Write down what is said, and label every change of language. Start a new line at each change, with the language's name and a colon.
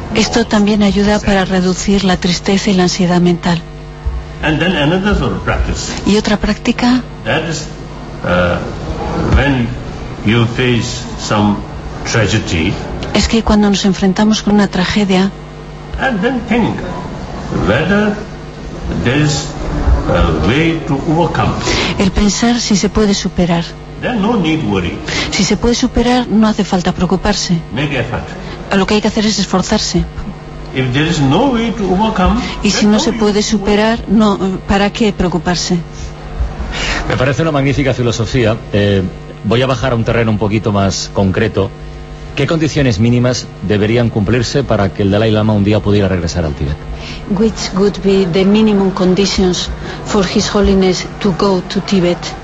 Spanish: Esto también ayuda para reducir la tristeza y la ansiedad mental.
English: And then another sort of practice.
Spanish: Y otra práctica.
English: That is when you face some tragedy.
Spanish: Es que cuando nos enfrentamos con una tragedia.
English: And then think whether there is a way to overcome.
Spanish: El pensar si se puede superar.
English: Then no need worry.
Spanish: Si se puede superar, no hace falta preocuparse.
English: Make effort.
Spanish: Lo que hay que hacer es esforzarse.
English: If there is no way to overcome,
Spanish: y si no se puede superar, no, ¿para qué preocuparse? Me parece una magnífica filosofía. Voy a bajar a un terreno un poquito más concreto. ¿Qué condiciones mínimas deberían cumplirse para que el Dalai Lama un día pudiera regresar al Tíbet?
English: Which would be the minimum conditions for His Holiness to go to Tibet?